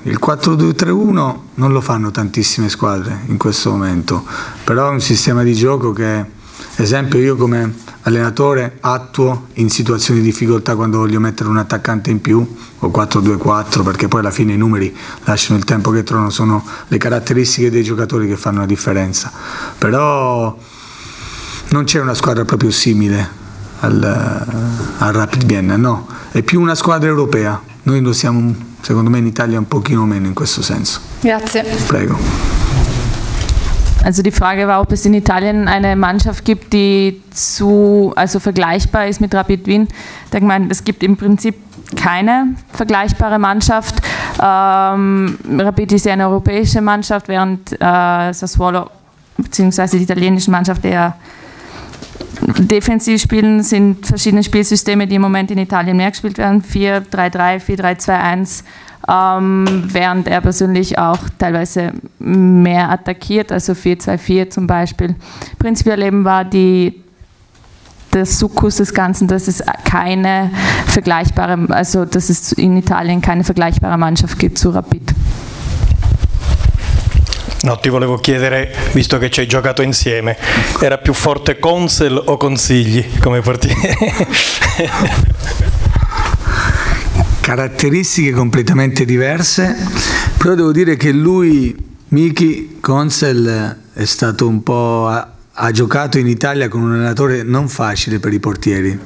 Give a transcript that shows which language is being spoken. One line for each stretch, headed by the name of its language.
Italian: Il 4-2-3-1 non lo fanno tantissime squadre in questo momento, però è un sistema di gioco che, esempio, io come allenatore attuo in situazioni di difficoltà quando voglio mettere un attaccante in più, o 4-2-4, perché poi alla fine i numeri lasciano il tempo che trovano, sono le caratteristiche dei giocatori che fanno la differenza. Però non c'è una squadra proprio simile al Rapid Vienna, no, è più una squadra europea. Noi lo siamo, secondo me, in Italia un pochino meno in questo senso. Grazie. Prego.
German: Also die Frage war, ob es in Italien eine Mannschaft gibt, die zu, also vergleichbar ist mit Rapid Wien. Da gemeint, es gibt im Prinzip keine vergleichbare Mannschaft. Rapid ist ja eine europäische Mannschaft, während Sassuolo bzw. die italienische Mannschaft eher defensiv spielen, sind verschiedene Spielsysteme, die im Moment in Italien mehr gespielt werden. 4-3-3, 4-3-2-1. Während er persönlich auch teilweise mehr attackiert, also 4-2-4 zum Beispiel. Prinzipiell eben war der Sukkus des Ganzen, dass es keine vergleichbare, also dass es in Italien keine vergleichbare Mannschaft gibt zu Rapid.
Italian: No, ti volevo chiedere, visto che ci hai giocato insieme, era più forte Consel o Consigli come portiere? Caratteristiche completamente diverse, però devo dire che lui, Miki Consel, è stato un po', ha giocato in Italia con un allenatore non facile per i portieri.